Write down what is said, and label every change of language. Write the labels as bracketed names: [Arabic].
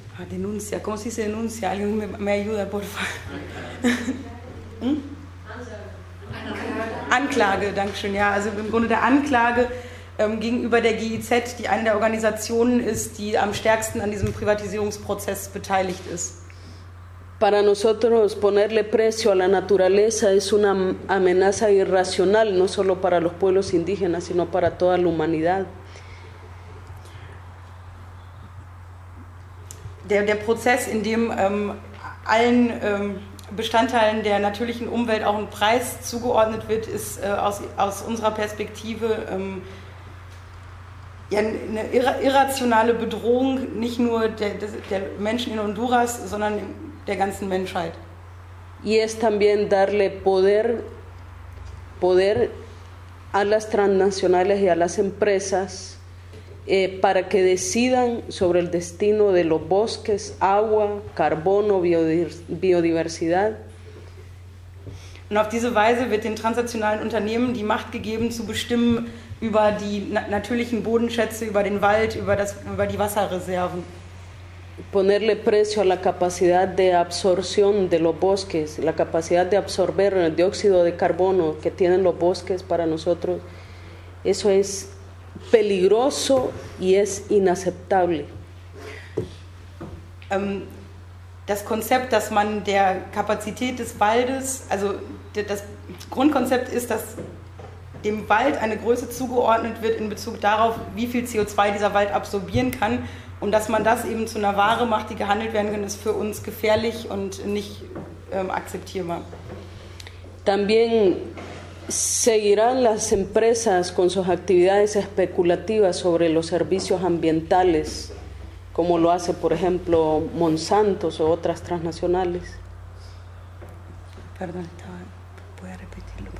[Spanish] Denuncia, ¿cómo se dice denuncia? ¿Alguien me ayuda, por favor? [German] Anklage, danke schön. Ja, also im Grunde der Anklage gegenüber der GIZ, die eine der Organisationen ist, die am stärksten an diesem Privatisierungsprozess beteiligt ist. [Spanish] Para nosotros ponerle precio a la naturaleza es una amenaza irracional, no solo para los pueblos indígenas, sino para toda la humanidad. [German] Der Prozess, in dem allen Bestandteilen der natürlichen Umwelt auch ein Preis zugeordnet wird, ist aus unserer Perspektive eine irrationale Bedrohung, nicht nur der Menschen in Honduras, sondern der ganzen Menschheit. [Spanish] Y es también darle poder a las transnacionales y a las empresas para que decidan sobre el destino de los bosques, agua, carbono, biodiversidad. [German] Und auf diese Weise wird den transnationalen Unternehmen die Macht gegeben, zu bestimmen über die natürlichen Bodenschätze, über den Wald, über die Wasserreserven. [Spanish] Ponerle precio a la capacidad de absorción de los bosques, la capacidad de absorber el dióxido de carbono que tienen los bosques para nosotros, eso es peligroso y es inaceptable. [German] Das Konzept, dass man der Kapazität des Waldes, also das Grundkonzept ist, dass dem Wald eine Größe zugeordnet wird in Bezug darauf, wie viel CO2 dieser Wald absorbieren kann, und dass man das eben zu einer Ware macht, die gehandelt werden kann, ist für uns gefährlich und nicht akzeptierbar. [Spanish] También seguirán las empresas con sus actividades especulativas sobre los servicios ambientales, como lo hace, por ejemplo, Monsanto o otras transnacionales. Perdón, voy a repetirlo.